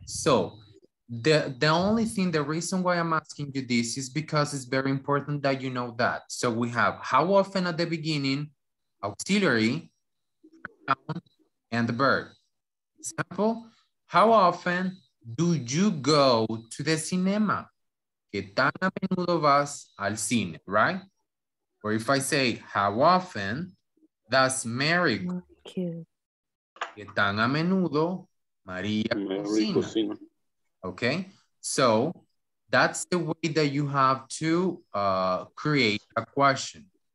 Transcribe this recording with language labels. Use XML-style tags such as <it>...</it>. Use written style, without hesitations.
<en>So, the only thing, the reason why I'm asking you this is because it's very important that you know that. So, we have how often at the beginning, auxiliary, pronoun, and the verb. Example, how often do you go to the cinema?</en> <es>¿Qué tan a menudo vas al cine,</es> <en>right? Or if I say, how often does Mary cook?</en> <es>¿Qué tan a menudo María cocina?</es> <en>Okay, so that's the way that you have to create a question.</en>